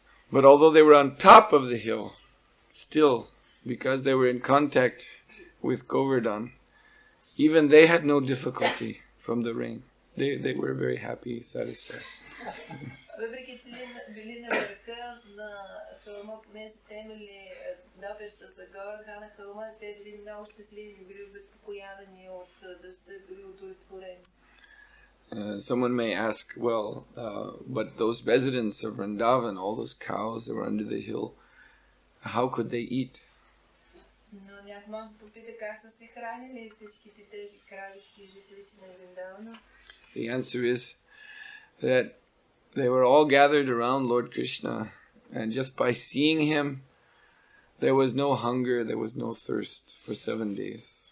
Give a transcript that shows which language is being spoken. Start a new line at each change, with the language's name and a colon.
English: But although they were on top of the hill, still, because they were in contact with Govardhan, even they had no difficulty from the rain. They were very happy, satisfied.
Bulgarian: Въпреки че били на върха на хълма, понеже те имали добрата за гора на хълма, те били много щастливи, били обезпокоявани от дъжда, били удовлетворени.
English: Someone may ask, well, but those residents of Vrindavan, all those cows that were under the hill, how could they eat?
Bulgarian: Но някой може да попита как са се хранили всичките тези кравички жителите на Вриндавана.
English: The answer is that they were all gathered around Lord Krishna, and just by seeing him, there was no hunger, there was no thirst for 7 days.